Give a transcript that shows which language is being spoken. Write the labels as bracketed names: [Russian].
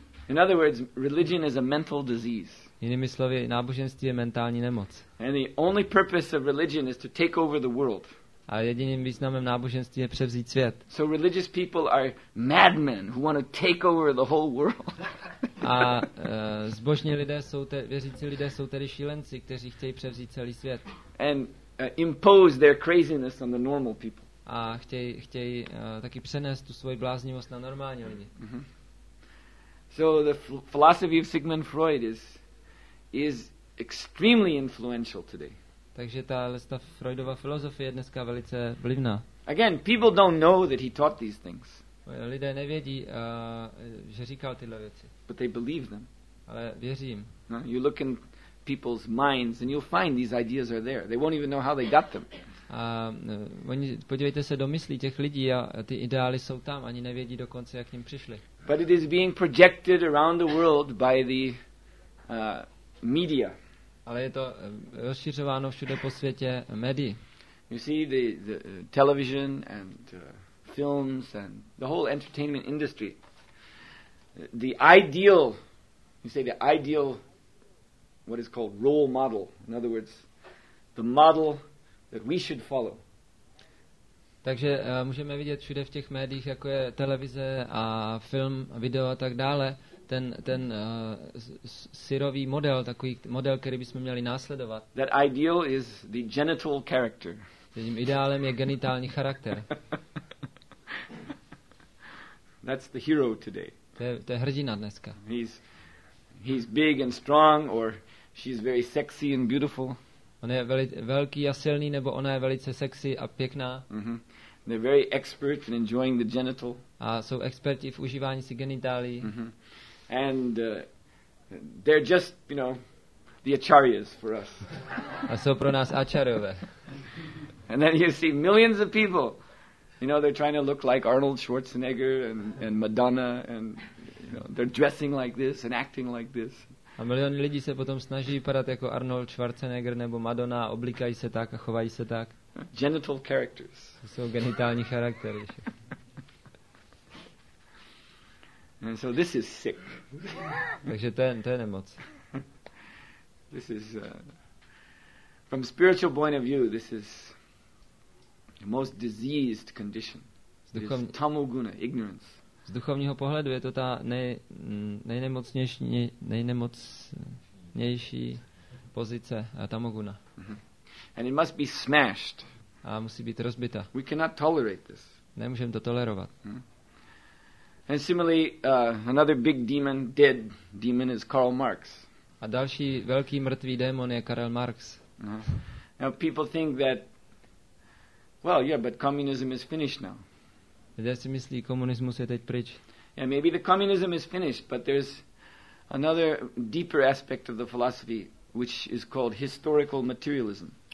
[English] In other words, religion is a mental disease. [Czech] Jinými slovy, náboženství je mentální nemoc. [English] And the only purpose of religion is to take over the world. [Czech] A jediným významem náboženství je převzít svět. [English] So religious people are madmen who want to take over the whole world. [Czech] A zbožní lidé jsou věřící lidé jsou tedy šílenci, kteří chtějí převzít celý svět. [English] And impose their craziness on the normal people. [Czech] A chtějí taky přenést tu svoji bláznivost na normální lidi. [English] So the philosophy of Sigmund Freud is extremely influential today. [Czech] Takže ta Freudova filozofie je dneska velice vlivná. [English] Again, people don't know that he taught these things. [Czech] Lidé nevědí, že říkal tyhle věci. [English] But they believe them. [Czech] Ale věří jim. [English] No, you look in people's minds and you'll find these ideas are there. They won't even know how they got them. [Czech] Oni podívejte se do myslí těch lidí a ty ideály jsou tam, ani nevědí dokonce, jak k ním přišli. [English] But it is being projected around the world by the media. [Czech] Ale je to rozšiřováno všude po světě médií. [English] You see the television and films and the whole entertainment industry. The ideal, you say the ideal, what is called role model. In other words, the model that we should follow. [Czech] Takže můžeme vidět všude v těch médiích, jako je televize a film, video a tak dále, ten syrový model, takový model, který bychom měli následovat. [English] That ideal is the genital character. [Czech] Tím ideálem je genitální charakter. [English] That's the hero today. [Czech] To je hrdina dneska. [English] He's big and strong, or she's very sexy and beautiful. [Czech] On je velký a silný, nebo ona je velice sexy a pěkná. [English] They're very expert in enjoying the genital. [Czech] A jsou experti v užívání si genitálií. [English] And they're just, you know, the acharyas for us. [Czech] A jsou pro nás acharyové. [English] And then you see millions of people. You know, they're trying to look like Arnold Schwarzenegger and Madonna, and you know, they're dressing like this and acting like this. [Czech] A miliony lidí se potom snaží vypadat jako Arnold Schwarzenegger nebo Madonna, oblíkají se tak a chovají se tak. [English] Genital characters. [Czech] To jsou genitální charaktery. [English] And so this is sick. [Czech] Takže to je nemoc. [English] This is from spiritual point of view, this is the most diseased condition. This is tamoguna, ignorance. [Czech] Z duchovního pohledu je to ta nejnemocnější pozice, tamoguna. [English] And it must be smashed. [Czech] A musí být rozbita. [English] We cannot tolerate this. [Czech] Nemůžeme to tolerovat. [English] And similarly, another big demon, dead demon, is Karl Marx. [Czech] A další velký mrtvý démon je Karl Marx. [English] Now people think that, well, yeah, but communism is finished now. [Czech] Lidé si myslí, komunismus je teď pryč. [English] Yeah, maybe the communism is finished, but there's another deeper aspect of the philosophy, which is called historical materialism.